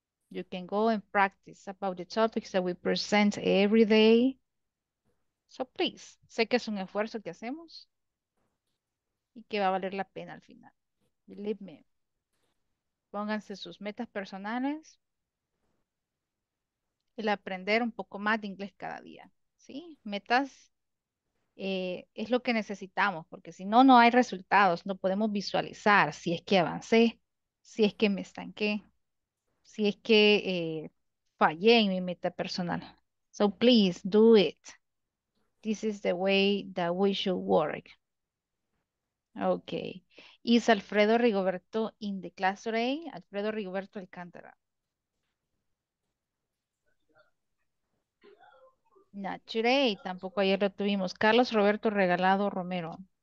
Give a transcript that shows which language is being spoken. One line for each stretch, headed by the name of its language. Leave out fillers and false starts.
English: You can go and practice about the topics that we present every day. So please,
Spanish: sé que es un esfuerzo que hacemos y que va a valer la pena al final.
English: Believe me.
Spanish: Pónganse sus metas personales. El aprender un poco más de inglés cada día. ¿Sí? Metas es lo que necesitamos, porque si no, no hay resultados. No podemos visualizar si es que avancé, si es que me estanqué, si es que fallé en mi meta personal.
English: So please, do it. This is the way that we should work. Ok. Is Alfredo Rigoberto in the class today? Alfredo Rigoberto Alcántara. Not today.
Spanish: Tampoco ayer lo tuvimos. Carlos Roberto Regalado Romero.